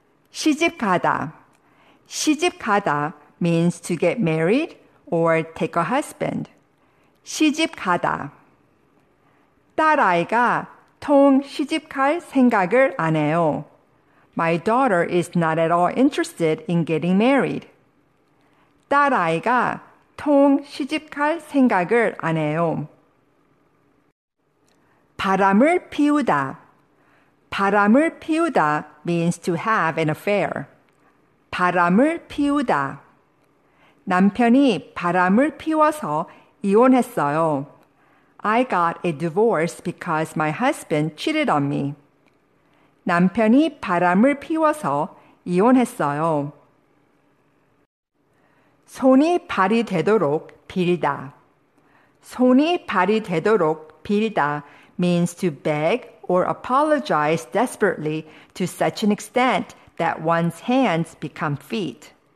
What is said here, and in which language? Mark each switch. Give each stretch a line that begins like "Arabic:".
Korean: 시집가다.
English: 시집가다 means to get married or take a husband.
Korean: 시집가다. 딸아이가 통 시집갈 생각을 안 해요.
English: My daughter is not at all interested in getting married.
Korean: 딸아이가 통 시집갈 생각을 안 해요. 바람을 피우다. 바람을 피우다
English: means to have an affair.
Korean: 바람을 피우다. 남편이 바람을 피워서 이혼했어요.
English: I got a divorce because my husband cheated on me.
Korean: 남편이 바람을 피워서 이혼했어요. 손이 발이 되도록 빌다.
English: 손이 발이 되도록 빌다 means to beg or apologize desperately to such an extent that one's hands become feet.